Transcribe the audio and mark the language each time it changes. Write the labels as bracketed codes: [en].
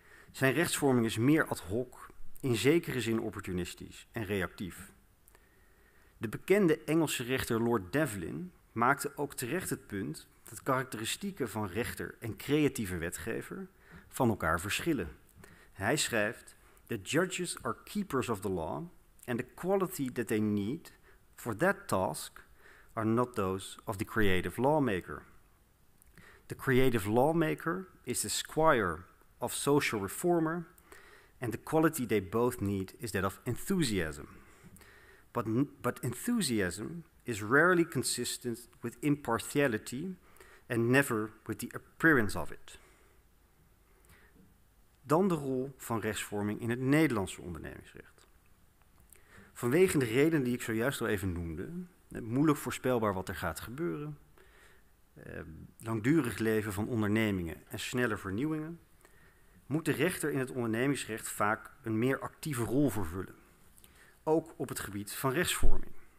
[nl] Zijn rechtsvorming is meer ad hoc, in zekere zin opportunistisch en reactief. De bekende Engelse rechter Lord Devlin maakte ook terecht het punt dat karakteristieken van rechter en creatieve wetgever van elkaar verschillen. Hij schrijft: [en] "The judges are keepers of the law and the quality that they need for that task are not those of the creative lawmaker. The creative lawmaker is the squire of social reformer and the quality they both need is that of enthusiasm. But enthusiasm is rarely consistent with impartiality and never with the appearance of it." [nl] Dan de rol van rechtsvorming in het Nederlandse ondernemingsrecht. Vanwege de redenen die ik zojuist al even noemde, moeilijk voorspelbaar wat er gaat gebeuren, langdurig leven van ondernemingen en snelle vernieuwingen, moet de rechter in het ondernemingsrecht vaak een meer actieve rol vervullen, ook op het gebied van rechtsvorming.